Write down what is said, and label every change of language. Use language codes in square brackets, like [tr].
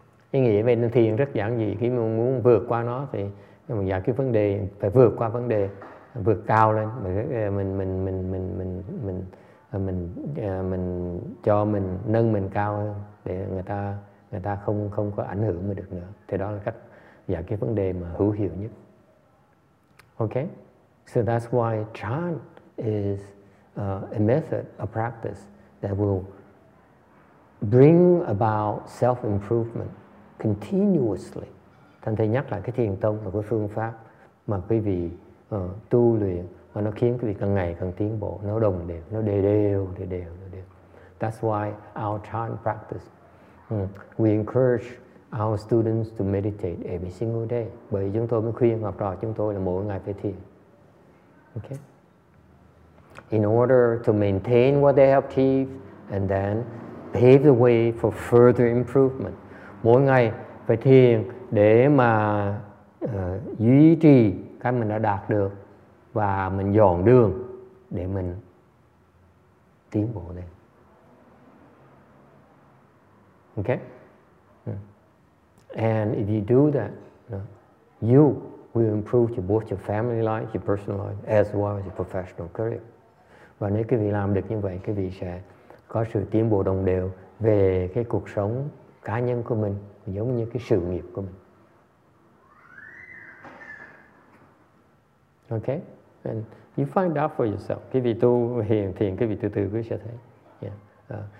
[vi] Ý nghĩa về thiền rất giản dị. Khi mà muốn vượt qua nó thì mình giải quyết vấn đề, phải vượt qua vấn đề, vượt cao lên. Mình cho mình nâng mình cao hơn để người ta không có ảnh hưởng mình được nữa. Thì đó là cách giải quyết vấn đề mà hữu hiệu nhất. [en] Okay, so that's why Chan is a method, a practice that will bring about self-improvement continuously. [vi] Thành thầy nhắc lại cái thiền tông là cái phương pháp mà quý vị tu luyện và nó khiến quý vị càng ngày càng tiến bộ, nó đồng đều, nó đều. [en] That's why our Chan practice, we encourage our students to meditate every single day. [vi] Bởi chúng tôi mới khuyên học trò chúng tôi là mỗi ngày phải thiền. [en] Okay. In order to maintain what they have achieved and then pave the way for further improvement. [vi] Mỗi ngày phải thiền để mà duy trì cái mình đã đạt được và mình dọn đường để mình tiến bộ lên. [en] Okay. And if you do that, you will improve both your family life, your personal life, as well as your professional career. [vi] Và nếu quý vị làm được như vậy, quý vị sẽ có sự tiến bộ đồng đều về cái cuộc sống cá nhân của mình, giống như cái sự nghiệp của mình. [en] Okay? And you find out for yourself. [vi] Quý vị tu hiền thiền, quý vị từ từ quý vị sẽ thấy. Yeah.